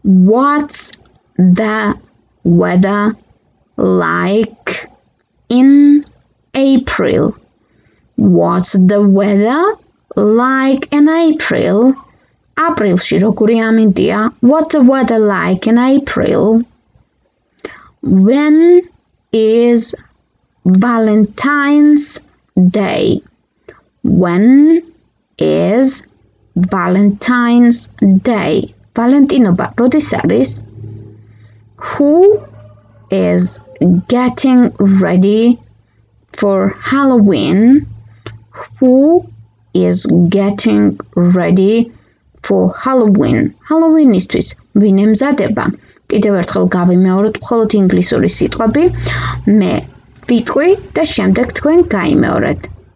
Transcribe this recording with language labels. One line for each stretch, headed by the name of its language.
English: What's the weather like in April? What's the weather like in April?
Georgian: აპრილში როგორი ამინდია?
English: What's the weather like in April? When is Valentine's Day? When is Valentine's Day?
Georgian: Valentinoba, როდის არის?
English: Who is getting ready for Halloween? Who is getting ready for Halloween?
Georgian: Halloween-ისთვის ვინ ემზადება? კიდევ ერთხელ გავიმეორებ მხოლოდ ინგლისური სიტყვები. მე ვიტყვი და შემდეგ თქვენ გაიმეორეთ.